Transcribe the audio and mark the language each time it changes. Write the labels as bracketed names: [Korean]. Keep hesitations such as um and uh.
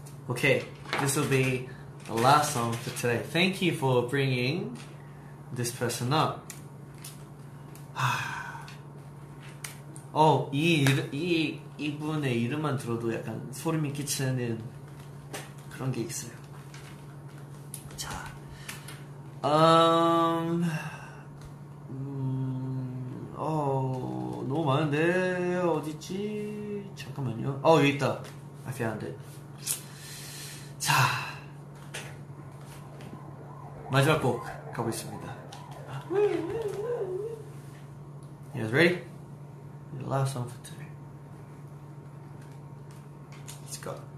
[English] Okay, this will be the last song for today. Thank you for bringing this person up. [Korean] 어, 이, 이르- 이, 이분의 이름만 들어도 약간 소름이 끼치는 그런 게 있어요. 자, 음, 음, 어, 너무 많은데, 어딨지? 잠깐만요. 어, 여기 있다. [English] I found it. [Korean] 자, 마지막 곡 가보겠습니다. [English] You guys ready? Your last song for today. Let's go.